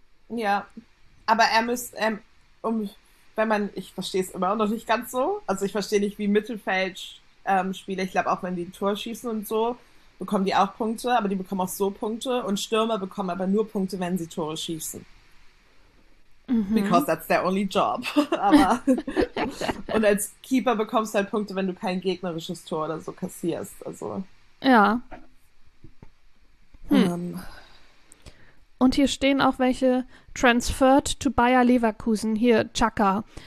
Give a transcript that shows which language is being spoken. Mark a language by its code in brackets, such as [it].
[de] Ja, aber er müsste, wenn man, ich verstehe es immer noch nicht ganz so, also ich verstehe nicht, wie Mittelfeldspieler, ich glaube auch, wenn die ein Tor schießen und so, bekommen die auch Punkte, aber die bekommen auch so Punkte und Stürmer bekommen aber nur Punkte, wenn sie Tore schießen. [en] Because that's their only job. [de] Aber und als Keeper bekommst du halt Punkte, wenn du kein gegnerisches Tor oder so kassierst. Also. Ja. Und hier stehen auch welche [en] transferred to [de] Bayer Leverkusen. Hier, Chaka.